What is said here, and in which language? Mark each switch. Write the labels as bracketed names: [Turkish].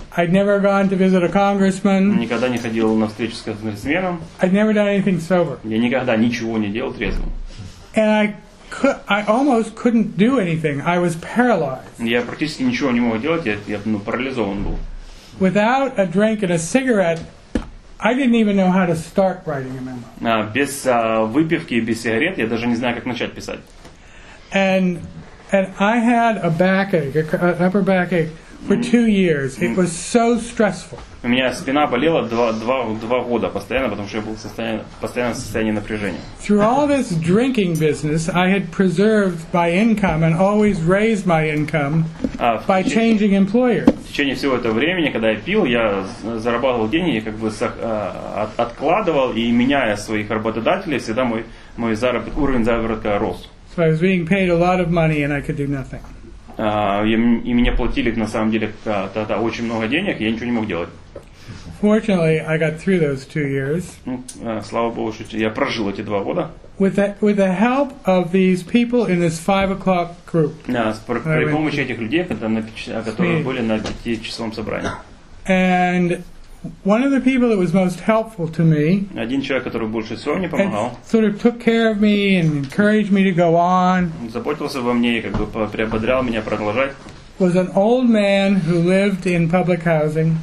[English] I'd never gone to visit a congressman. [Russian] Никогда не ходил на встречу с конгрессменом. [English] I'd never done anything sober. [Russian] Я никогда ничего не делал трезвым. [English] And I almost couldn't do anything. I was paralyzed. [Russian] Я практически ничего не мог делать, я ну, парализован был. [English] Without a drink and a cigarette, I didn't even know how to start writing a memo. [Russian] Без выпивки и без сигарет я даже не знаю, как начать писать. [English] And I had a backache, an upper backache for 2 years. It was so stressful. [Russian] У меня спина болела два года постоянно, потому что я был в постоянном состоянии напряжения. [English] Through all this drinking business, I had preserved my income and always raised my income by changing employers. [Russian] В течение всего этого времени, когда я пил, я зарабатывал деньги, я как бы откладывал, и меняя своих работодателей, всегда мой уровень заработка рос. [English] So I was being paid a lot of money and I could do nothing. [Russian] И мне платили, на самом деле, тогда очень много денег, и я ничего не мог делать. [English] Fortunately, I got through those 2 years. [Russian] Слава Богу, что я прожил эти два года. [English] With the help of these people in this 5 o'clock group. [Russian] При помощи этих людей, которые были на пятичасовом собрании. [English] And one of the people that was most helpful to me. [Russian] Один человек, который больше всего мне помогал. [English] Sort of took care of me and encouraged me to go on. [Russian] Заботился обо мне и как бы приободрял меня продолжать. [English] Was an old man who lived in public housing.